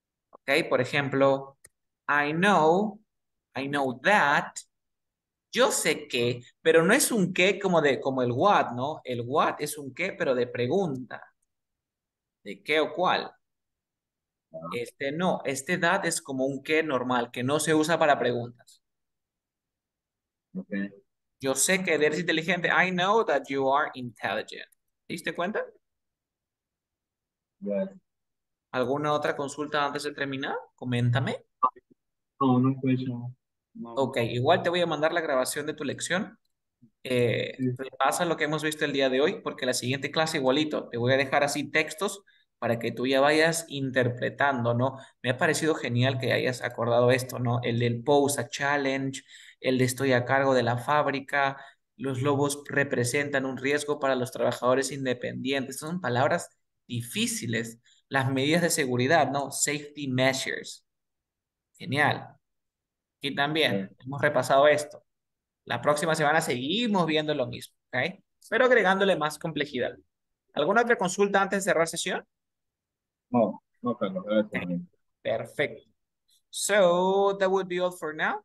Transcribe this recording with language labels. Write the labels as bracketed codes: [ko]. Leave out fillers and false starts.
[es] Ok, por ejemplo, [en] I know that, [es] yo sé que, pero no es un qué como de como el what, ¿no? El what es un qué, pero de pregunta. ¿De qué o cuál? Este no, este that es como un qué normal, que no se usa para preguntas. [en] Okay. [es] Yo sé que eres inteligente. [en] I know that you are intelligent. [es] ¿Diste cuenta? [en] Yes. [es] ¿Alguna otra consulta antes de terminar? Coméntame. No, [en] Ok, [es] no. igual te voy a mandar la grabación de tu lección. Repasa lo que hemos visto el día de hoy, porque la siguiente clase igualito. Te voy a dejar así textos para que tú ya vayas interpretando, ¿no? Me ha parecido genial que hayas acordado esto, ¿no? El del Pose a Challenge, el de estoy a cargo de la fábrica, los lobos representan un riesgo para los trabajadores independientes. Estas son palabras difíciles. Las medidas de seguridad, ¿no? [en] Safety measures. [es] Genial. Y también hemos repasado esto. La próxima semana seguimos viendo lo mismo, ¿ok? Pero agregándole más complejidad. ¿Alguna otra consulta antes de cerrar sesión? No, no, Carlos, gracias a mí. Perfecto. [en] So, that would be all for now.